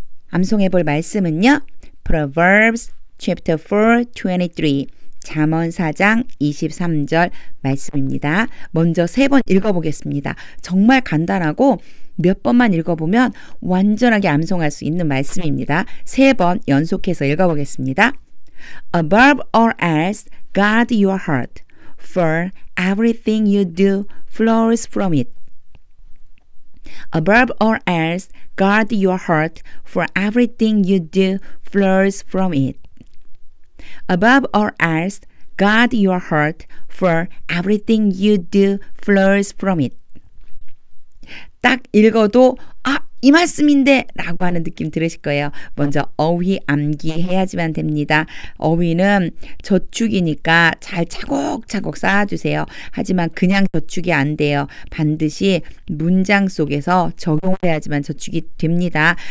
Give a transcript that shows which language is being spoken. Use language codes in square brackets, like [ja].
[ko] 암송해볼 말씀은요. [en] Proverbs chapter 4:23 [ko] 잠언 4장 23절 말씀입니다. 먼저 3번 읽어보겠습니다. 정말 간단하고 몇 번만 읽어보면 완전하게 암송할 수 있는 말씀입니다. 3번 연속해서 읽어보겠습니다. [en] Above all else, guard your heart, for everything you do flows from it. Above all else, guard your heart, for everything you do flows from it. Above all else, guard your heart, for everything you do flows from it. [ko] 딱 읽어도 아, 이 말씀인데 라고 하는 느낌 들으실 거예요. 먼저 어휘 암기해야지만 됩니다. 어휘는 저축이니까 잘 차곡차곡 쌓아주세요. 하지만 그냥 저축이 안 돼요. 반드시 문장 속에서 적용해야지만 저축이 됩니다.